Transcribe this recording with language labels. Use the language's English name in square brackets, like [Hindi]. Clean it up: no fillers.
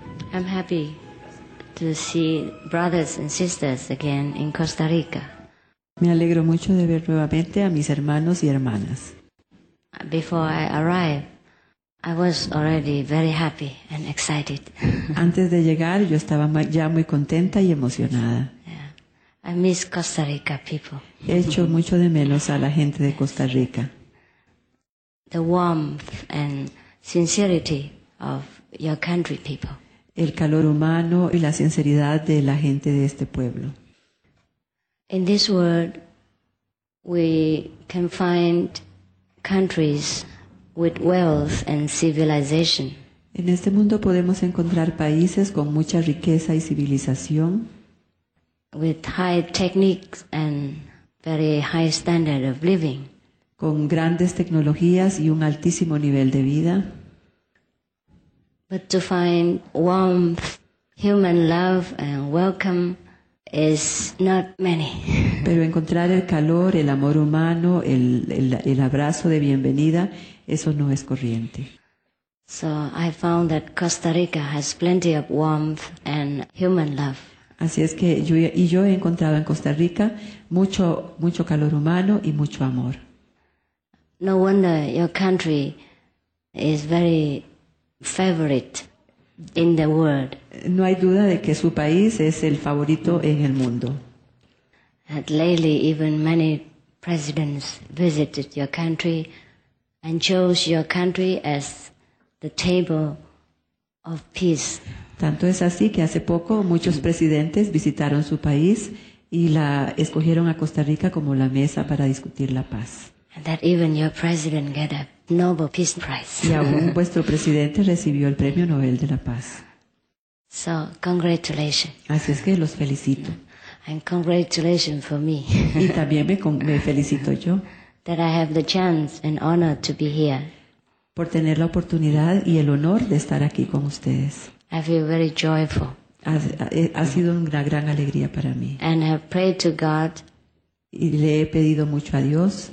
[English] I'm happy to see brothers and sisters again in Costa Rica. [Spanish] Me alegro mucho de ver nuevamente a mis hermanos y hermanas. [English] Before I arrived, I was already very happy and excited. [Spanish] Antes de llegar, yo estaba ya muy contenta y emocionada. [English] Yeah. I miss Costa Rica people. [Spanish] He hecho mucho de menos a la gente de Costa Rica. [English] The warmth and sincerity of your country people. [Spanish] El calor humano y la sinceridad de la gente de este pueblo. [English] In this world, we can find countries with wealth and civilization. [Spanish] En este mundo podemos encontrar países con mucha riqueza y civilización. [English] With high techniques and very high standard of living. [Spanish] Con grandes tecnologías y un altísimo nivel de vida. [English] But to find warmth, human love, and welcome is not many. [Spanish] Pero encontrar el calor, el amor humano, el abrazo de bienvenida, eso no es corriente. [English] So I found that Costa Rica has plenty of warmth and human love. [Spanish] Así es que yo he encontrado en Costa Rica mucho calor humano y mucho amor. [English] No wonder your country is very favorite in the world. [Spanish] No hay duda de que su país es el favorito en el mundo. [English] And lately, even many presidents visited your country and chose your country as the table of peace. [Spanish] Tanto es así que hace poco muchos presidentes visitaron su país y la escogieron a Costa Rica como la mesa para discutir la paz. [English] And that even your president got a Nobel Peace Prize. [Spanish] Y aún vuestro presidente recibió el Premio Nobel de la Paz. [English] So, congratulations. [Spanish] Así es que los felicito. [English] And congratulations for me. [Spanish] Y también me felicito yo. [English] That I have the chance and honor to be here. [Spanish] Por tener la oportunidad y el honor de estar aquí con ustedes. [English] I feel very joyful. [Spanish] Ha sido una gran alegría para mí. [English] And I pray to God. [Spanish] Y le he pedido mucho a Dios,